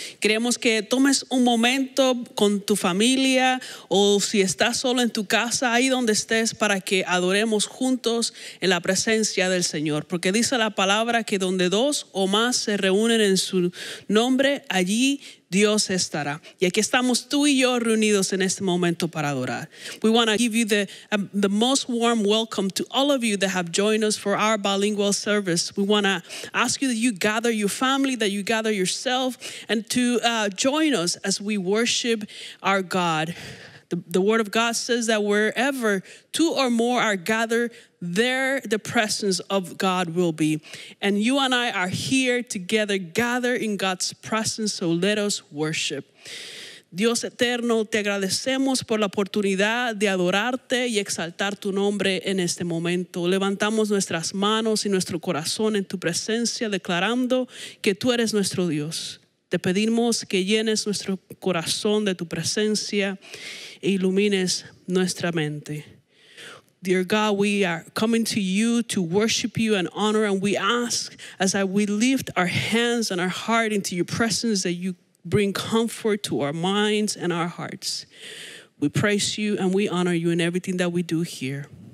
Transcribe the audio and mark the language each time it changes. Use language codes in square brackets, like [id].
[es] Queremos que tomes un momento con tu familia o si estás solo en tu casa, ahí donde estés, para que adoremos juntos en la presencia del Señor. Porque dice la palabra que donde dos o más se reúnen en su nombre, allí Dios estará. Y aquí estamos tú y yo reunidos en este momento para adorar. [en] We want to give you the most warm welcome to all of you that have joined us for our bilingual service. We want to ask you that you gather your family, that you gather yourself, and to join us as we worship our God. The Word of God says that wherever two or more are gathered, there the presence of God will be. And you and I are here together, gathered in God's presence, so let us worship. [es] Dios eterno, te agradecemos por la oportunidad de adorarte y exaltar tu nombre en este momento. Levantamos nuestras manos y nuestro corazón en tu presencia, declarando que tú eres nuestro Dios. Te pedimos que llenes nuestro corazón de tu presencia e ilumines nuestra mente. [en] Dear God, we are coming to you to worship you and honor, and we ask as we lift our hands and our heart into your presence that you bring comfort to our minds and our hearts. We praise you and we honor you in everything that we do here.